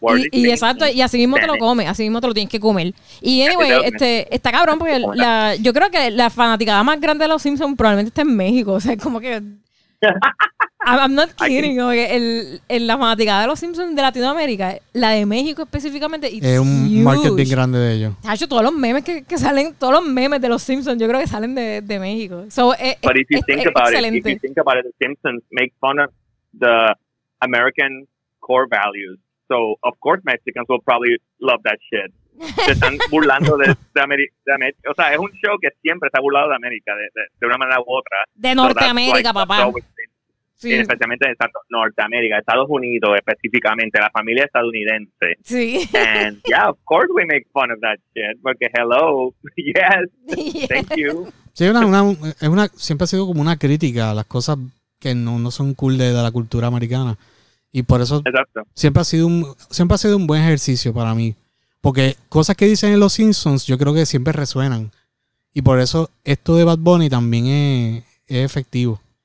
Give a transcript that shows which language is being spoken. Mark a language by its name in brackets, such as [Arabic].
[Spanish] Y exacto, y así mismo te lo comes, así mismo te lo tienes que comer. Y anyway, está cabrón porque la, yo creo que la fanaticada más grande de los Simpsons probablemente está en México. O sea, es como que... [English] I'm not kidding. Okay. [Spanish] El la fanaticada de los Simpsons de Latinoamérica, la de México específicamente, es un market bien grande de ellos. Ha hecho todos los memes que salen, todos los memes de los Simpsons, yo creo que salen de México. [English] So, if you think about it, the Simpsons make fun of the American core values. So, of course, Mexicans will probably love that shit. [Spanish] Se están burlando de América. O sea, es un show que siempre está burlado de América, de una manera u otra. De Norteamérica, so papá. Sí. Especialmente en Norteamérica, Estados Unidos específicamente, la familia estadounidense. Sí. [English] And yeah, of course we make fun of that shit, porque hello, yes, thank you. [Spanish] Sí, una siempre ha sido como una crítica a las cosas que no son cool de la cultura americana. Y por eso exacto. siempre ha sido un buen ejercicio para mí. Porque cosas que dicen en los Simpsons yo creo que siempre resuenan. Y por eso esto de Bad Bunny también es efectivo.